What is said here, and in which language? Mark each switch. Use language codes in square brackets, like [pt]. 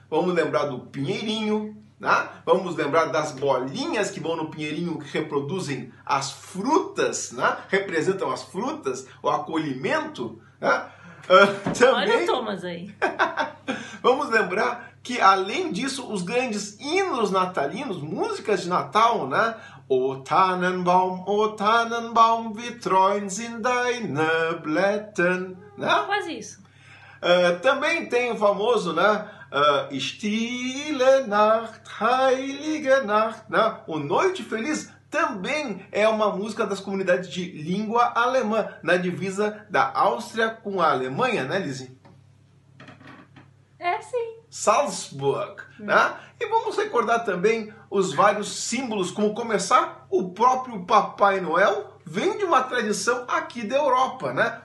[pt] Vamos lembrar do pinheirinho, né? Vamos lembrar das bolinhas que vão no pinheirinho, que reproduzem as frutas, né? Representam as frutas, o acolhimento, né? Também... Olha o Thomas aí. Vamos lembrar que, além disso, os grandes hinos natalinos, músicas de Natal, né? O Tannenbaum, o Tannenbaum, [de] wie treuen sind deine Blätten. [pt] Né? Quase isso. Também tem o famoso, né? [de] Stille Nacht, heilige Nacht. [pt] Né? O Noite Feliz também é uma música das comunidades de língua alemã, na divisa da Áustria com a Alemanha, né, Lizzie? É, sim. Salzburg, né? E vamos recordar também os vários símbolos, como começar, o próprio Papai Noel vem de uma tradição aqui da Europa, né?